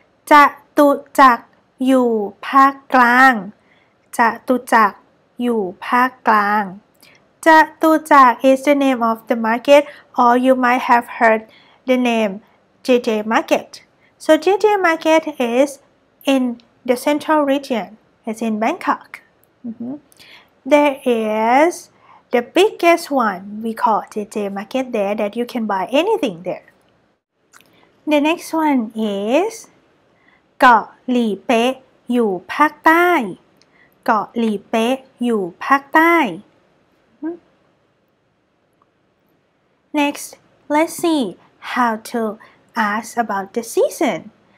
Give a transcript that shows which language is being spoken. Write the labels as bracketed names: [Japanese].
[Thai] จตุจักรอยู่ภาคกลางจตุจักรอยู่ภาคกลาง [English] จตุจักร is the name of the market or you might have heard the name JJ Market. So JJ Market is in the central region. It's in Bangkok. There is the biggest one we call JJ Market there that you can buy anything there. The next one is [Thai] เกาะหลีเป๊ะอยู่ภาคใต้เกาะหลีเป๊ะอยู่ภาคใต้ [English] Next, let's see how to ask about the season.